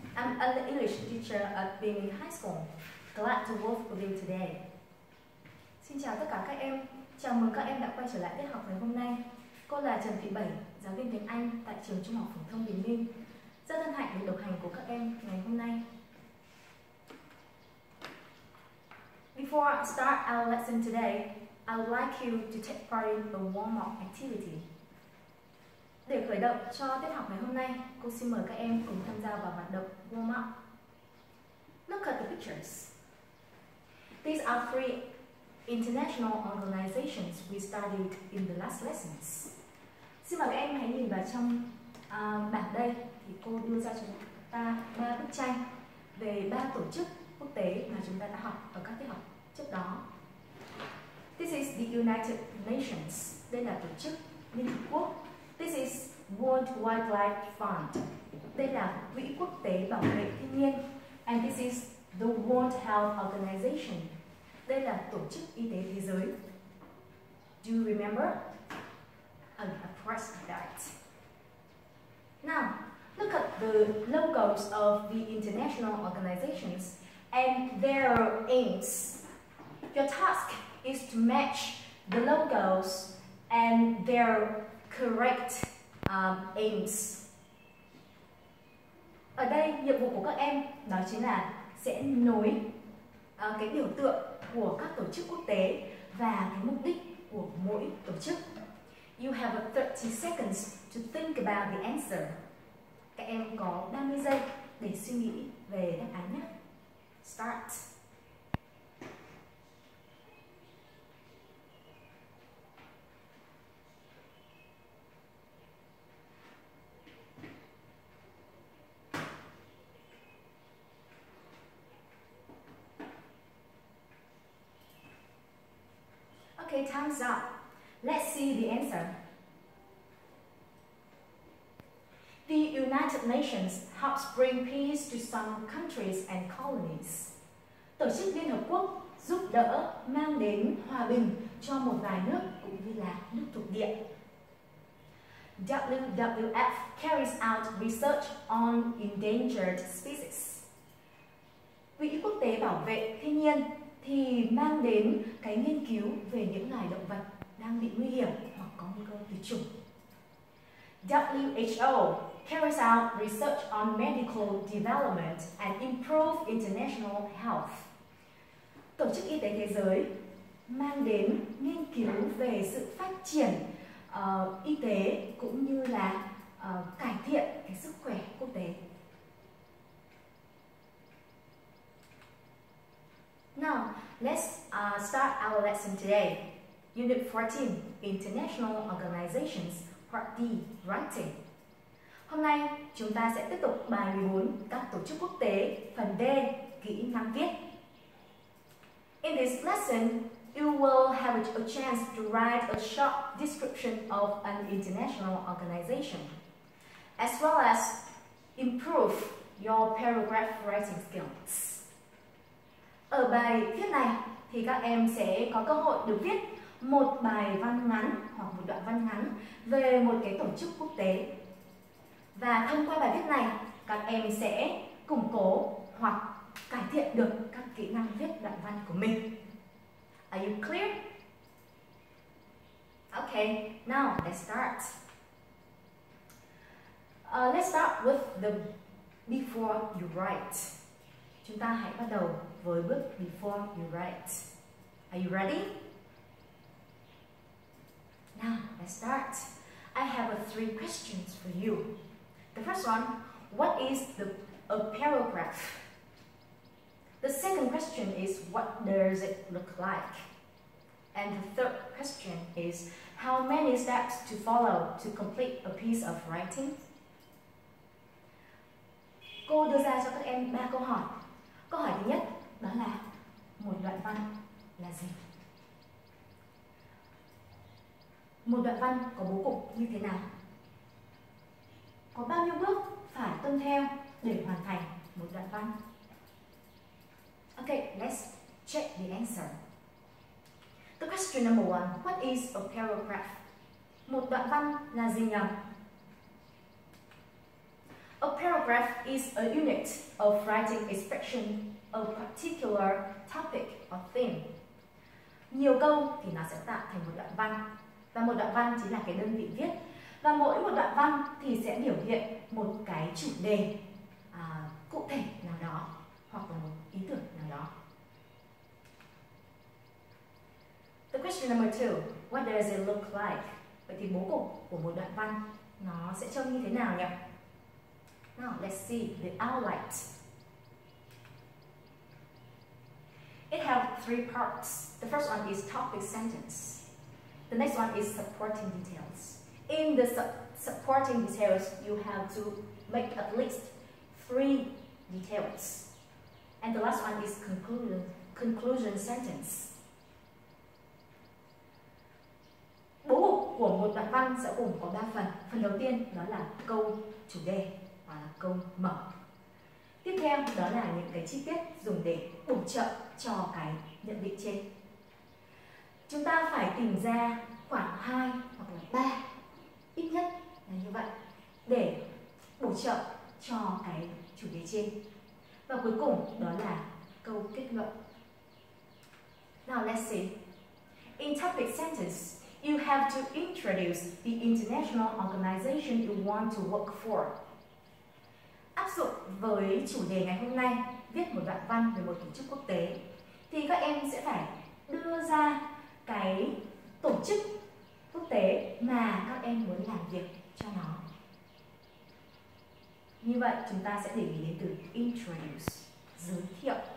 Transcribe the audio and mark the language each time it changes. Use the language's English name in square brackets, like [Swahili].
[English] I'm an English teacher at Bingley High School. Glad to work with you today. [Vietnamese] Xin chào tất cả các em. Chào mừng các em đã quay trở lại tiết học ngày hôm nay. Cô là Trần Thị Bảy, giáo viên tiếng Anh tại trường Trung học phổ thông Bình Minh. Rất hân hạnh được đồng hành của các em ngày hôm nay. [English] Before I start our lesson today, I would like you to take part in a warm-up activity. [Vietnamese] Để khởi động cho tiết học ngày hôm nay, cô xin mời các em cùng tham gia vào hoạt động warm up. [English] Look at the pictures. These are three international organizations we studied in the last lessons. [Vietnamese] Xin mời các em hãy nhìn vào trong bảng đây thì cô đưa ra cho chúng ta ba bức tranh về ba tổ chức quốc tế mà chúng ta đã học ở các tiết học trước đó. [English] This is the United Nations. [Vietnamese] Đây là tổ chức Liên Hợp Quốc. [English] This is World Wildlife Fund. [Vietnamese] Đây là Quỹ Quốc tế Bảo vệ Thiên nhiên. [English] And this is the World Health Organization. [Vietnamese] Đây là Tổ chức Y tế Thế giới. [English] Do you remember? I pressed that. Now, look at the logos of the international organizations and their aims. Your task is to match the logos and their correct aims. [Vietnamese] Ở đây nhiệm vụ của các em đó chính là sẽ nối cái biểu tượng của các tổ chức quốc tế và cái mục đích của mỗi tổ chức. [English] You have 30 seconds to think about the answer. [Vietnamese] Các em có 30 giây để suy nghĩ về đáp án nhé. [English] Start. Okay, time's up. Let's see the answer. The United Nations helps bring peace to some countries and colonies. [Vietnamese] Tổ chức Liên Hợp Quốc giúp đỡ mang đến hòa bình cho một vài nước cũng như là nước thuộc địa. [English] WWF carries out research on endangered species. [Vietnamese] Quỹ Quốc tế Bảo vệ Thiên nhiên thì mang đến cái nghiên cứu về những loài động vật đang bị nguy hiểm hoặc có nguy cơ tuyệt chủng. [English] WHO carries out research on medical development and improve international health. [Vietnamese] Tổ chức Y tế Thế giới mang đến nghiên cứu về sự phát triển y tế cũng như là cải thiện cái sức khỏe quốc tế. [English] Now, let's start our lesson today. Unit 14, International Organizations, Part D, Writing. [Vietnamese] Hôm nay, chúng ta sẽ tiếp tục bài 14, các tổ chức quốc tế, phần D, kỹ năng viết. [English] In this lesson, you will have a chance to write a short description of an international organization, as well as improve your paragraph writing skills. [Vietnamese] Ở bài viết này thì các em sẽ có cơ hội được viết một bài văn ngắn hoặc một đoạn văn ngắn về một cái tổ chức quốc tế. Và thông qua bài viết này, các em sẽ củng cố hoặc cải thiện được các kỹ năng viết đoạn văn của mình. [English] Are you clear? Okay, now let's start. Let's start with the before you write. [Vietnamese] Chúng ta hãy bắt đầu với bước [English] before you write. Are you ready? Now, let's start. I have three questions for you. The first one, what is a paragraph? The second question is, what does it look like? And the third question is, how many steps to follow to complete a piece of writing? [Vietnamese] Cô đưa ra cho các em ba câu hỏi. Câu hỏi thứ nhất, đó là một đoạn văn là gì? Một đoạn văn có bố cục như thế nào? Có bao nhiêu bước phải tuân theo để hoàn thành một đoạn văn? [English] Okay, let's check the answer. The question number one, what is a paragraph? [Vietnamese] Một đoạn văn là gì nhỉ? [English] A paragraph is a unit of writing expression of a particular topic or theme. [Vietnamese] Nhiều câu thì nó sẽ tạo thành một đoạn văn. Và một đoạn văn chính là cái đơn vị viết. Và mỗi một đoạn văn thì sẽ biểu hiện một cái chủ đề cụ thể nào đó hoặc là một ý tưởng nào đó. [English] The question number two, what does it look like? [Vietnamese] Vậy thì bố cục của một đoạn văn nó sẽ trông như thế nào nhỉ? [English] Now let's see the outline. It has three parts. The first one is topic sentence. The next one is supporting details. In the supporting details, you have to make at least three details. And the last one is conclusion sentence. [Vietnamese] Bố cục của một đoạn văn sẽ gồm có 3 phần. Phần đầu tiên đó là câu chủ đề và là câu mở. Tiếp theo đó là những cái chi tiết dùng để bổ trợ cho cái nhận định trên. Chúng ta phải tìm ra khoảng 2 hoặc là 3, ít nhất là như vậy, để bổ trợ cho cái chủ đề trên. Và cuối cùng đó là câu kết luận. [English] Now let's see. In topic sentence, you have to introduce the international organization you want to work for. [Vietnamese] Áp dụng với chủ đề ngày hôm nay, viết một đoạn văn về một tổ chức quốc tế, thì các em sẽ phải đưa ra cái tổ chức quốc tế mà các em muốn làm việc cho nó. Như vậy, chúng ta sẽ để ý đến từ introduce, giới thiệu.